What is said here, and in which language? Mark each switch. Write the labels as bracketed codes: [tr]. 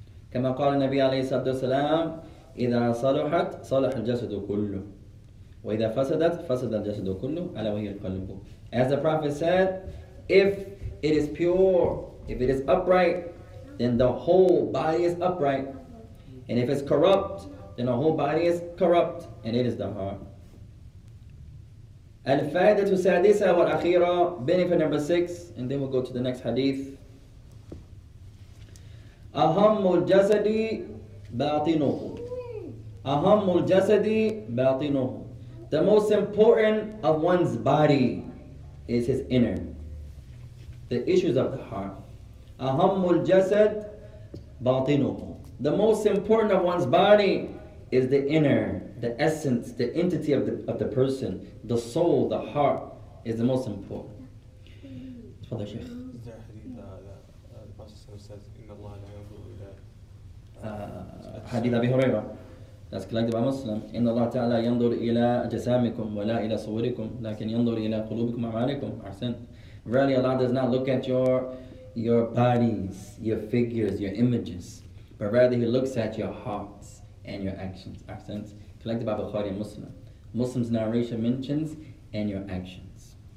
[ar] كما قال النبي عليه الصلاة والسلام, إذا صلحت صلح الجسد كله وإذا فسدت فسد الجسد كله على وجه القلب. [en] As the Prophet said, if it is pure, if it is upright, then the whole body is upright. And if it's corrupt, then the whole body is corrupt, and it is the heart. [ar] الفائدة السادسة والأخيرة, [en] benefit number 6, and then we'll go to the next hadith. [ar] أهم الجسد باطنه. أهم الجسد باطنه. [en] The most important of one's body is his inner. The issues of the heart. [ar] أهم الجسد باطنه. [en] The most important of one's body is the inner, the essence, the entity of the person, the soul, the heart is the most important. [ar] Tafadhal, Sheikh. [en] Is there a hadith that the Prophet says, [ar] Inna Allah la yanzur ila. Hadith Abi Hurairah. [en] That's collected by Muslim. [ar] إن الله تعالى ينظر إلى جسامكم ولا إلى صوركم لكن ينظر إلى قلوبكم وأعمالكم. أحسن. [en] Really, Allah does not look at your bodies, your figures, your images, but rather He looks at your hearts and your actions. [ar] أحسن. [en] Collected by Bukhari and Muslim. Muslim's narration mentions and your actions.